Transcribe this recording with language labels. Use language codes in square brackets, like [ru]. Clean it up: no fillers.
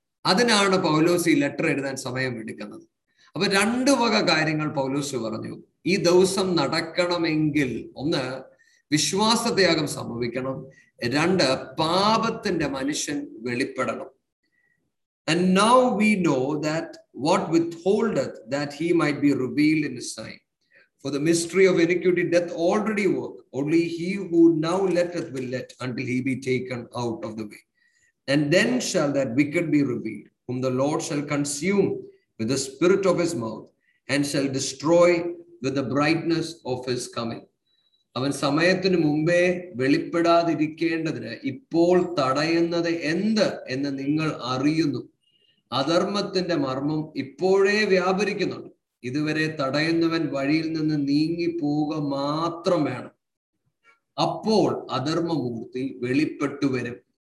[ml] അതിനാണ് പൗലോസ് ഈ ലെറ്റർ എഴുതാൻ സമയം എടുക്കുന്നത്. അപ്പൊ രണ്ട് വക കാര്യങ്ങൾ പൗലോസ് പറഞ്ഞു. ഈ ദിവസം നടക്കണമെങ്കിൽ ഒന്ന് വിശ്വാസത്യാഗം സംഭവിക്കണം, രണ്ട് പാപത്തിന്റെ മനുഷ്യൻ വെളിപ്പെടണം. [en] And now we know that what withholdeth, that he might be revealed in his time. For the mystery of iniquity doth already work. Only he who now letteth will let until he be taken out of the way. And then shall that wicked be revealed, whom the Lord shall consume with the spirit of his mouth, and shall destroy with the brightness of his coming. [ml] അവൻ സമയത്തിന് മുമ്പേ വെളിപ്പെടാതിരിക്കേണ്ടതിന് ഇപ്പോൾ തടയുന്നത് എന്ത് എന്ന് നിങ്ങൾ അറിയുന്നു. അധർമ്മത്തിന്റെ മർമ്മം ഇപ്പോഴേ വ്യാപരിക്കുന്നുണ്ട്. ഇതുവരെ തടയുന്നവൻ വഴിയിൽ നിന്ന് നീങ്ങി പോവുക മാത്രം വേണം, അപ്പോൾ അധർമ്മമൂർത്തി വെളിപ്പെട്ടു വരും.